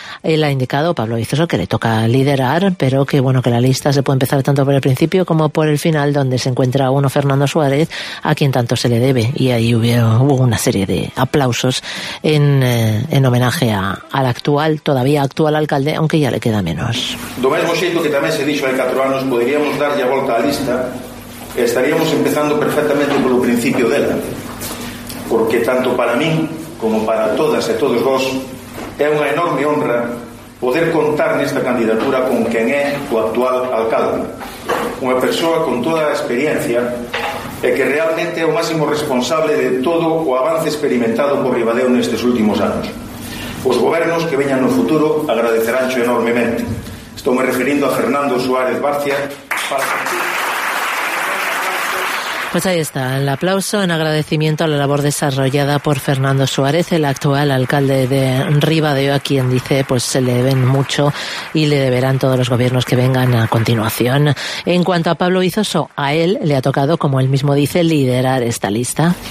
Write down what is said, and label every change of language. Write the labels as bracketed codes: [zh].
[es] Él ha indicado, Pablo Vizoso, que le toca liderar, pero que bueno, que la lista se puede empezar tanto por el principio como por el final, donde se encuentra uno, Fernando Suárez, a quien tanto se le debe. Y ahí hubo una serie de aplausos en homenaje al actual, todavía actual alcalde, aunque ya le queda menos. [gl] Do mesmo xeito que tamén se dixo hai 4 anos, poderíamos dar ya volta a lista, estaríamos empezando perfectamente polo principio dela, porque tanto para mí como para todas e todos vós é unha enorme honra poder contar nesta candidatura con quen é o actual alcalde, unha persoa con toda a experiencia e que realmente é o máximo responsable de todo o avance experimentado por Ribadeo nestes últimos anos. Os gobernos que veñan no futuro agradeceránxo enormemente. Estou me referindo a Fernando Suárez Barcia para sentir... [es] Pues ahí está, el aplauso en agradecimiento a la labor desarrollada por Fernando Suárez, el actual alcalde de Ribadeo, a quien dice pues se le deben mucho y le deberán todos los gobiernos que vengan a continuación. En cuanto a Pablo Vizoso, a él le ha tocado, como él mismo dice, liderar esta lista.